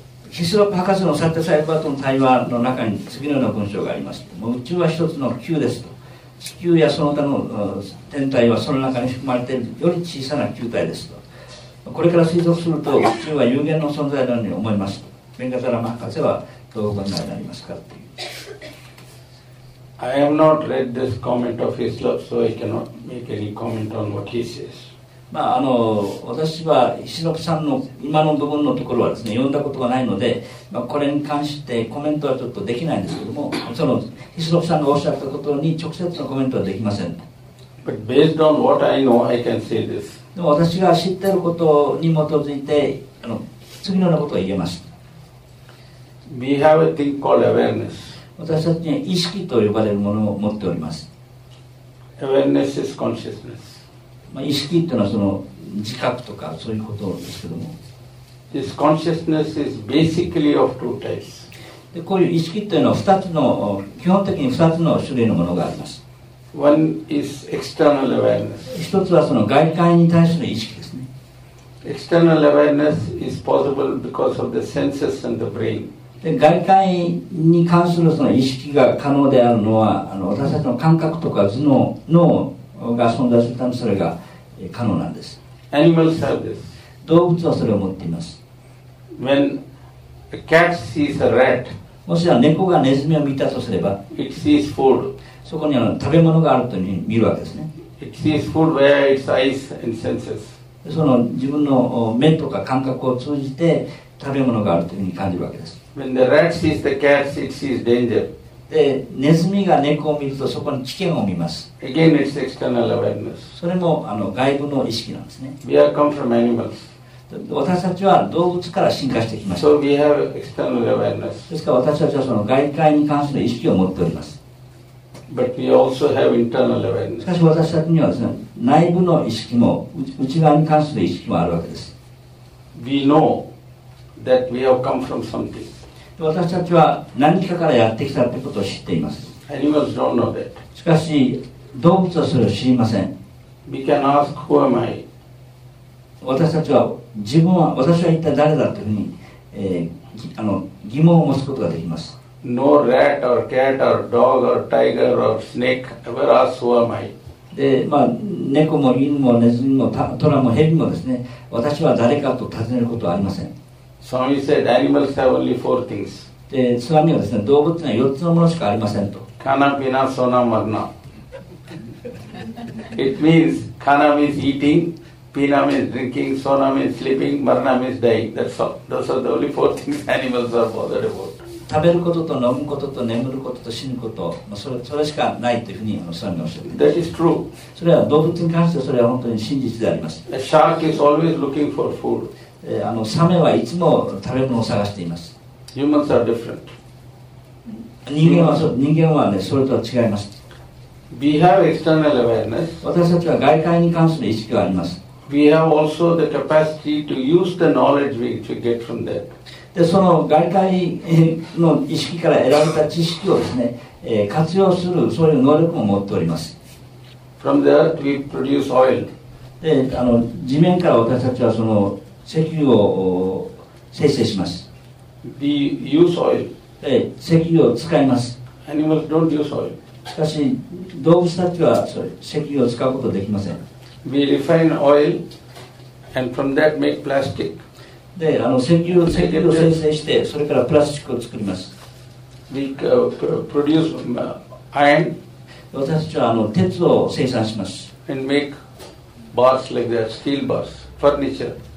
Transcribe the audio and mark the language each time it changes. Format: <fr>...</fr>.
<ja>ヒスロップ博士のサッテサイバーとの対話の中に次のような文章があります。もう宇宙は一つの球ですと。地球やその他の天体はその中に含まれているより小さな球体ですと。これから推測すると宇宙は有限の存在のように思いますと。ベンガタラマ博士はどうご覧になりますかっていう。</ja> <en>I have not read this comment of his love, so I cannot make any comment on what he says.</en> <ja>まあ私はヒスロップさんの今の部分のところはですね、読んだことがないので、まあ、これに関してコメントはちょっとできないんですけども、そのヒスロップさんがおっしゃったことに直接のコメントはできません。</ja> <en>But based on what I know, I can say this.</en> <ja>でも私が知っていることに基づいて次のようなことを言えます。</ja> <en>We have a thing called awareness.</en> <ja>私たちには意識と呼ばれるものを持っております。</ja> <en>Awareness is consciousness.</en> <ja>まあ、意識というのはその自覚とかそういうことですけども、</ja> <en>This consciousness is basically of two types.</en> <ja>でこういう意識というのは2つの基本的に2つの種類のものがあります。</ja> <en>One is external awareness.</en> <ja>一つはその外界に対する意識ですね。</ja> <en>External awareness is possible because of the senses and the brain.</en> <ja>で外界に関するその意識が可能であるのは私たちの感覚とか頭脳のが存在するため、それが可能なんです。</ja> <en>Animals have this.</en> <ja>動物はそれを持っています。</ja> <en>When a cat sees a rat,</en> <ja>もしは猫がネズミを見たとすれば、</ja> <en>it sees food.</en> <ja>そこに食べ物があるというふうに見るわけですね。</ja> <en>it sees food via its eyes and senses.</en> <ja>その自分の目とか感覚を通じて食べ物があるというふうに感じるわけです。</ja> <en>When the rat sees the cat, it sees danger.</en> <ja>でネズミが猫を見るとそこに危険を見ます。</ja> <en>Again, it's external awareness.</en> <ja>それも外部の意識なんですね。</ja> <en>We have come from animals.</en> <ja>私たちは動物から進化してきました。</ja> <en>So we have external awareness.</en> <ja>ですから私たちはその外界に関する意識を持っております。</ja> <en>But we also have internal awareness.</en> <ja>しかし私たちにはですね、内部の意識も内側に関する意識もあるわけです。</ja> <en>We know that we have come from something.</en> <ja>私たちは何かからやってきたということを知っています。</ja> <en>Animals don't know that.</en> <ja>しかし動物はそれを知りません。</ja> <en>We can ask, who am I?</en> <ja>私たちは自分は私は一体誰だというふうに疑問を持つことができます。</ja> <en>No rat or cat or dog or tiger or snake ever asked who am I?</en> <ja>で、まあ、猫も犬もネズミもトラもヘビもですね、私は誰かと尋ねることはありません。</ja> <en>Swami said animals have only four things.</en> <ja>で、スワミはですね、動物には4つのものしかありませんと。</ja> <hi>Kana pina sona marna.</hi> <en>It means kana means eating, pina means drinking, sona means sleeping, marna means dying. That's all. Those are the only four things animals are bothered about.</en> <ja>食べることと飲むことと眠ることと死ぬこと、それしかないというふうにスワミはおっしゃっています。</ja> <en>That is true.</en> <ja>それは動物に関してそれは本当に真実であります。</ja> <en>A shark is always looking for food.</en> <ja>サメはいつも食べ物を探しています。</ja> <en>Humans are different.</en> <ja>人間はね、それとは違います。</ja> <en>We have external awareness.</en> <ja>私たちは外界に関する意識があります。</ja> <en>We have also the capacity to use the knowledge we get from that.</en> <ja>でその外界の意識から得られた知識をですね、活用するそういう能力も持っております。</ja> <en>From the earth we produce oil.</en> <ja>で地面から私たちはその石油を生成します。</ja> <en>We use oil.</en> <ja>で石油を使います。</ja> <en>Animals don't use oil.</en> <ja>しかし動物たちは石油を使うことができません。</ja> <en>We refine oil and from that make plastic.</en> <ja>で石油を生成してそれからプラスチックを作ります。</ja> <en>We produce iron.</en> <ja>私たちは鉄を生産します。</ja> <en>And make bars like that, steel bars, furniture.</en>